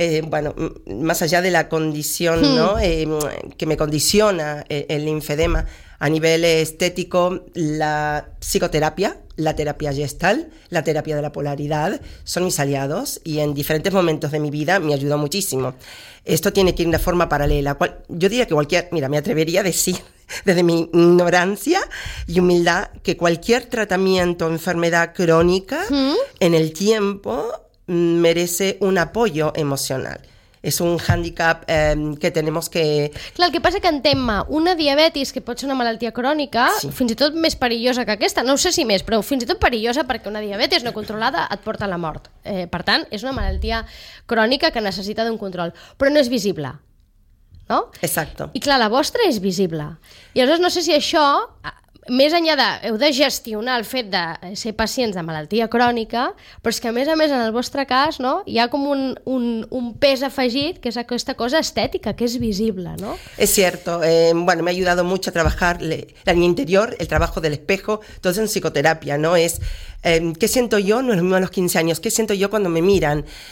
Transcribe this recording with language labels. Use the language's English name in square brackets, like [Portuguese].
[Spanish] Bueno, más allá de la condición, ¿no?, que me condiciona el linfedema, a nivel estético, la psicoterapia, la terapia gestal, la terapia de la polaridad, son mis aliados y en diferentes momentos de mi vida me ayudó muchísimo. Esto tiene que ir de forma paralela. Yo diría que me atrevería a decir, desde mi ignorancia y humildad, que cualquier tratamiento o enfermedad crónica en el tiempo merece un apoyo emocional. [Catalan] És un hàndicap que [Spanish] tenemos que... [Catalan] Clar, el que passa que en tema una diabetis, que pot ser una malaltia crònica, sí, fins i tot més perillosa que aquesta, no ho sé si més, però fins i tot perillosa, perquè una diabetis no controlada et porta a la mort. Per tant, és una malaltia crònica que necessita d'un control, però no és visible, no? [Spanish] Exacto. [Catalan] I clar, la vostra és visible. I aleshores no sé si això, més enllà de... Heu de gestionar el fet de ser pacients de malaltia crònica, però és que, a més, en el vostre cas, no?, hi ha com un pes afegit, que és aquesta cosa estètica, que és visible, no? [Spanish] Es cierto. Bueno, me ha ayudado mucho a trabajar el año interior, el trabajo del espejo, todo eso en psicoterapia, ¿no? Es, ¿qué siento yo? No es lo mismo a los 15 años. ¿Qué siento yo cuando me miran?